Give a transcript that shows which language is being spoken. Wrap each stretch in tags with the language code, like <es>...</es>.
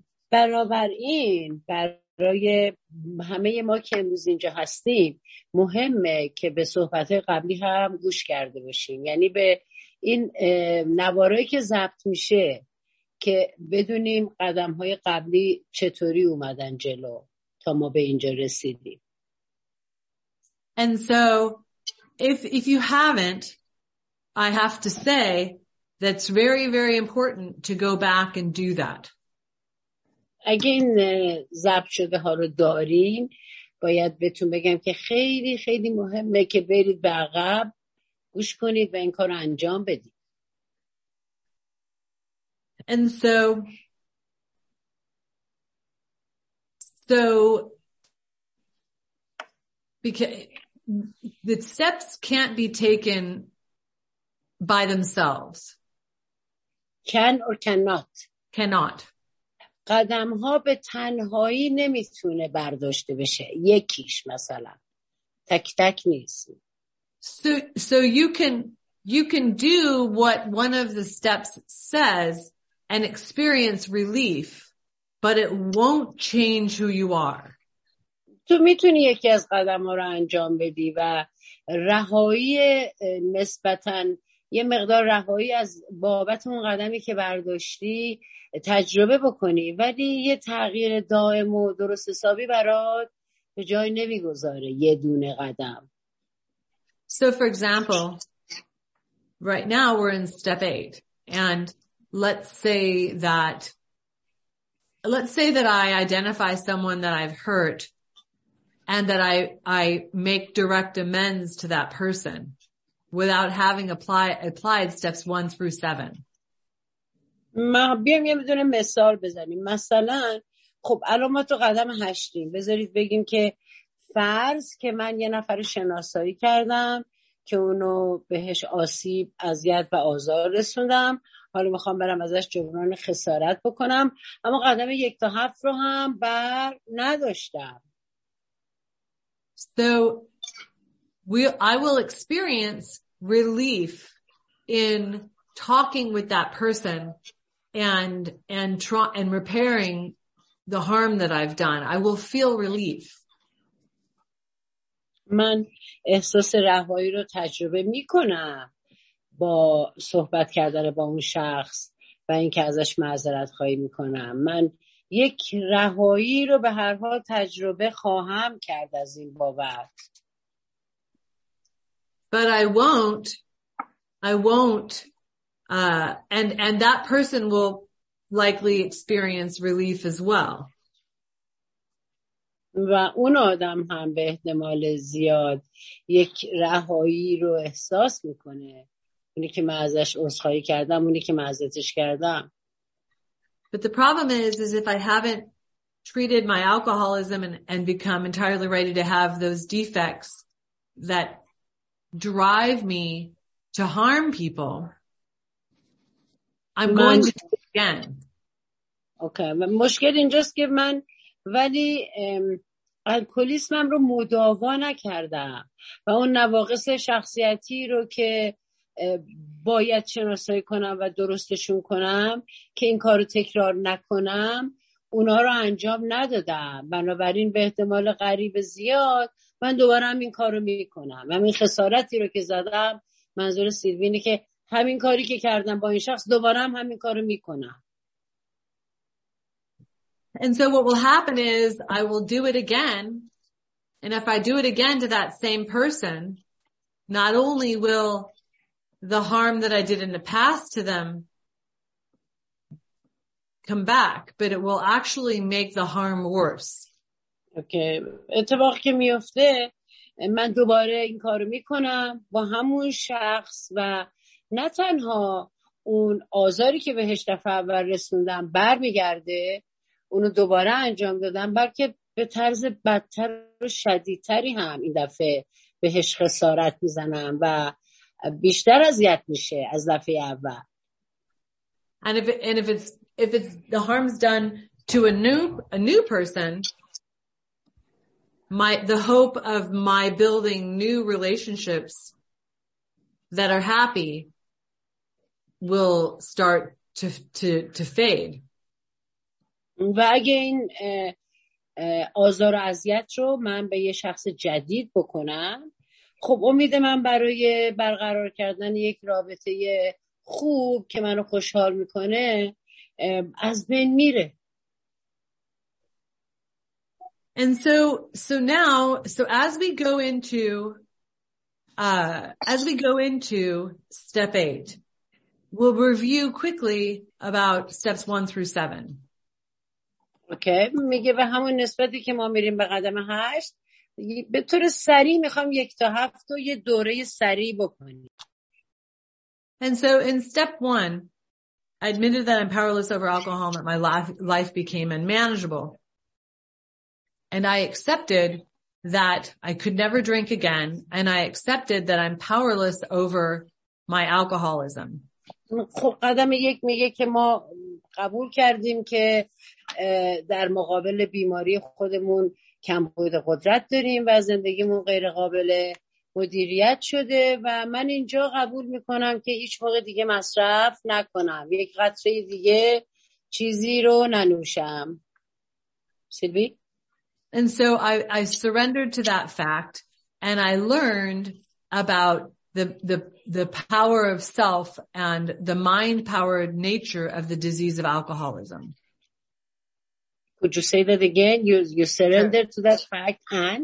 <fa>بنابراین برای همه ما که امروز اینجا هستیم مهمه که به صحبت‌های قبلی هم گوش کرده باشیم، یعنی به این نوارهایی که ضبط میشه که بدونیم قدم های قبلی چطوری اومدن جلو تا ما به اینجا رسیدیم.</fa> <en>And so if you haven't, I have to say that's very very important to go back and do that.</en> <fa>اگه این ضبط شده ها رو دارین باید بهتون بگم که خیلی خیلی مهمه که برید به عقب گوش کنید و این کار انجام بدید.</fa> <en>And so because the steps can't be taken by themselves. Can or cannot? Cannot.</en> <fa>قدم ها به تنهایی نمیتونه برداشته بشه. یکیش مثلا تک تک نیست.</fa> <en>So you can do what one of the steps says and experience relief, but it won't change who you are.</en> <fa>تو میتونی یکی از قدم ها رو انجام بدی و رهایی نسبتاً یه مقدار رهایی از بابت اون قدمی که برداشتی تجربه بکنی، ولی یه تغییر دائم و درست حسابی برات به جای نمیگذاره یه دونه قدم.</fa> <en>So for example, right now we're in step 8 and let's say that I identify someone that I've hurt and that I make direct amends to that person without having applied steps 1 through 7.</en> <fa>ما بیام یه دونه مثال بزنیم. مثلا خب الان ما تو قدم 8ین، بذارید بگیم که فرض که من یه نفر شناسایی کردم که اونو بهش آسیب، اذیت و آزار رسوندم، حالا میخوام برم ازش جبران خسارت بکنم، اما قدم 1 تا 7 رو هم بر نداشتم.</fa> <en>So I will experience relief in talking with that person and repairing the harm that I've done. I will feel relief.</en> <fa>من احساس رهایی رو تجربه میکنم با صحبت کردن با اون شخص و اینکه ازش معذرت خواهی میکنم. من یک رهایی رو به هر حال تجربه خواهم کرد از این بابت.</fa> <en>But I won't and that person will likely experience relief as well.</en> <fa>و اون آدم هم به احتمال زیاد یک رهایی رو احساس میکنه. اونی که من ازش عذرخواهی کردم، اونی که من ازش کردم.</fa> <en>But the problem is if I haven't treated my alcoholism and become entirely ready to have those defects that drive me to harm people, I'm going to do it again. Okay.</en> <fa>مشکل اینجاست که من ولی الکلیسمم رو مداوا نکردم و اون نواقص شخصیتی رو که باید شناسایی کنم و درستشون کنم که این کارو تکرار نکنم، اونا رو انجام ندادم. بنابراین به احتمال قریب زیاد من دوباره هم این کارو میکنم. همین خسارتی رو که زدم، منظور سیلوینه که همین کاری که کردم با این شخص دوباره هم همین کارو میکنم.</fa> <en>And so what will happen is I will do it again, and if I do it again to that same person, not only will the harm that I did in the past to them come back, but it will actually make the harm worse. Okay.</en> <fa>اتفاق که میفته من دوباره این کارو میکنم با همون شخص و نه تنها اون آزاری که بهش دفعه اول رسوندم برمیگرده، اونو دوباره انجام دادم، بلکه به طرز بدتر و شدیدتری هم این دفعه بهش خسارت میزنم و بیشتر اذیت میشه از دفعه اول.</fa> <en>And if it's the harm's done to a new person, the hope of my building new relationships that are happy will start to fade.</en> <fa>و اگه این آزار و اذیت رو من به یه شخص جدید بکنم، خب امید من برای برقرار کردن یک رابطه خوب که منو خوشحال میکنه از بین میره.</fa> <en>And so now as we go into step 8, we'll review quickly about steps 1 through 7.</en> <fa>اوکی، میگه به همون نسبتی که ما میریم به قدم 8، به طور سریع میخوام 1 تا 7 رو یه دوره سریع بکنیم.</fa> <en>And so in step 1, I admitted that I'm powerless over alcohol, that my life became unmanageable. And I accepted that I could never drink again, and I accepted that I'm powerless over my alcoholism.</en> <fa>خب قدم 1 میگه که ما قبول کردیم که در مقابل بیماری خودمون کمبود قدرت داریم و زندگیمون غیر قابل مدیریت شده و من اینجا قبول میکنم که هیچ موقع دیگه مصرف نکنم، یک قطره دیگه چیزی رو ننوشم. سیلوی؟</fa> <en>And so I surrendered to that fact and I learned about the power of self and the mind powered nature of the disease of alcoholism. Could you say that again? You surrendered to that fact and</en>